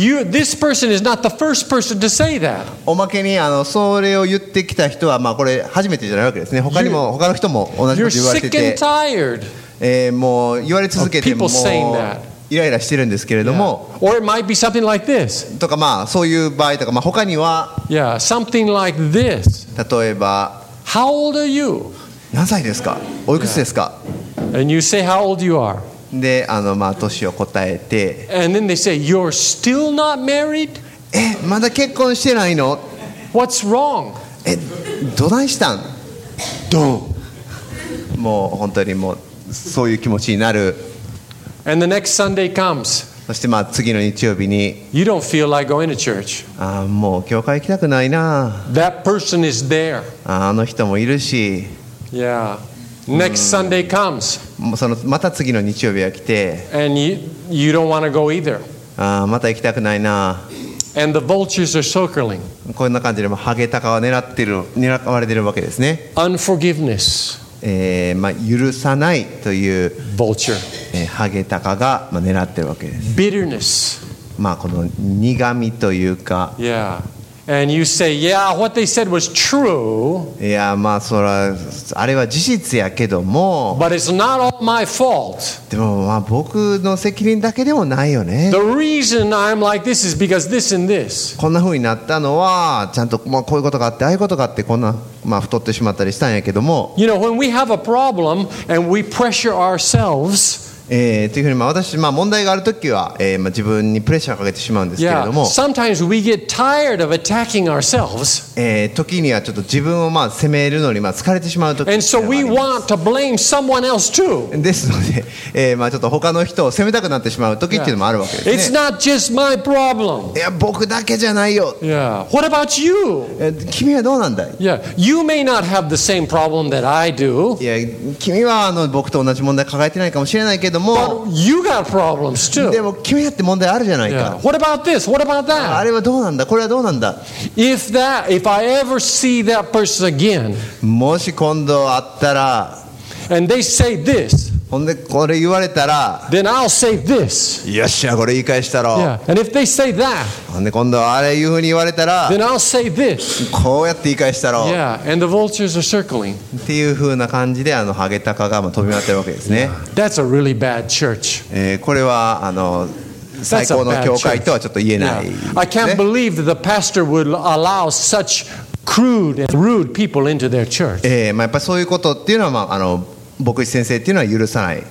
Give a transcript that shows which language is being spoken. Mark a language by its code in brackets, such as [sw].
[en] This person is not the first person to say that. [ja] おまけにあのそれを言ってきた人はまあこれ初めてじゃないわけですね。他にも他の人も同じこと言われてて。 [en] You're sick and tired. [ja] もう言われ続けてもう。 [en] People saying that. [ja] イライラしてるんですけれども、yeah. [en] Or it might be something like this. [ja] とかまあそういう場合とか、まあ、他には [en] yeah, something like this. [ja] 例えば [en] How old are you? [ja] 何歳ですか？おいくつですか？ [en] And you say how old you are. [ja] で、まあ、歳を答えて。 [en] And then they say, you're still not married? [ja] え、まだ結婚してないの？ [en] What's wrong? [ja] え、どないしたん？ [en] Don't. [ja] もう本当にもうそういう気持ちになる。 [en] And the next Sunday comes. [ja] そしてまあ次の日曜日に。 [en] You don't feel like going to church. [ja] あ、もう教会行きたくないな。 [en] That person is there. [ja] あの人もいるし。 [en] Yeah. Next Sunday comes. [ja] そのまた次の日曜日が来て。 [en] And you don't want to go either. [ja] あ、また行きたくないな。 [en] And the vultures are circling. [ja] こんな感じでもハゲタカは狙ってる、狙われてるわけですね。 [en] Unforgiveness. [ja] まあ、許さないという、 [en] Vulture. [ja] ハゲタカが、まあ、狙ってるわけです。 [en] Bitterness. [ja] まあこの苦味というか。 [en] Yeah. And you say, yeah, what they said was true. [ja] いや、まあ、それは、あれは事実やけども。 [en] But it's not all my fault. [ja] でも、まあ、僕の責任だけでもないよね。 [en] The reason I'm like this is because this and this. [ja] こんな風になったのは、ちゃんと、まあ、こういうことがあって、ああいうことがあって、こんな、まあ、太ってしまったりしたんやけども。 [en] You know, when we have a problem and we pressure ourselves, [ja] というふうに、まあ、私、まあ、問題があるときは、まあ、自分にプレッシャーをかけてしまうんですけれども、 [en] yeah. Sometimes we get tired of attacking ourselves. [ja] 時にはちょっと自分を、まあ、責めるのに、まあ、疲れてしまうときがあります。 [en] And so we want to blame someone else too. [ja] ですので、まあ、ちょっと他の人を責めたくなってしまうときっていうのもあるわけですね。 [en] It's not just my problem. [ja] いや、僕だけじゃないよ。 [en] Yeah. What about you? [ja] 君はどうなんだい？ [en] Yeah. You may not have the same problem that I do. [ja] いや、君は僕と同じ問題抱えてないかもしれないけど、 [en] But you got problems too. [ja] でも君だって問題あるじゃないか。 [en] What about this? What about that? [ja] あれはどうなんだ？これはどうなんだ？ [en] If I ever see that person again, [ja] もし今度会ったら、 [en] and they say this, [ja] ほんでこれ言われたら、 [en] then I'll say this. [ja] よっしゃ、これ言い返したろ。 [en] Yeah. And if they say that, [ja] ほんで今度あれいうふうに言われたら、 [en] then I'll say this. [ja] こうやって言い返したろ。 [en] Yeah. And the vultures are circling. [ja] っていうふうな感じでハゲタカが飛び回ってるわけですね。 [en] Yeah. That's a really bad church. [ja] これは最高の教会とはちょっと言えない。 [en] Yeah. I can't believe that the pastor would allow such crude and rude people into their church. [ja] まあやっぱりそういうことっていうのは、まあ牧師先生っていうのは許さない。